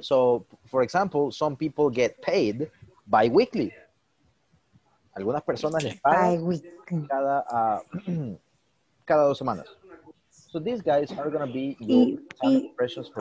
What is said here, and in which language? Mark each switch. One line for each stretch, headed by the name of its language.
English: So, for example, some people get paid bi-weekly.
Spanish: Algunas personas les pagan cada, cada dos semanas.
English: So these guys are going to be precious for